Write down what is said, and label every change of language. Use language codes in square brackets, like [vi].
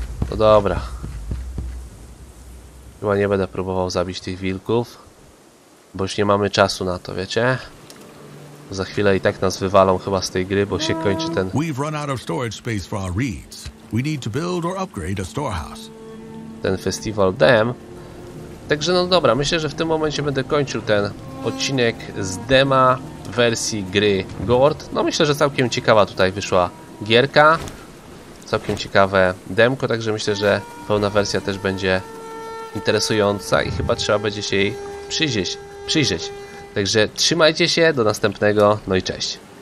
[pl] No dobra. Chyba nie będę próbował zabić tych wilków. Bo już nie mamy czasu na to, wiecie? Za chwilę i tak nas wywalą chyba z tej gry, bo się kończy ten... [en] We've run out of storage space for our reeds. We need to build or upgrade a storehouse. [pl] Ten festival dem. Także no dobra, myślę, że w tym momencie będę kończył ten odcinek z dema wersji gry Gord. No myślę, że całkiem ciekawa tutaj wyszła gierka. Całkiem ciekawe demko, także myślę, że pełna wersja też będzie interesująca i chyba trzeba będzie się jej przyjrzeć. Także trzymajcie się, do następnego, no i cześć.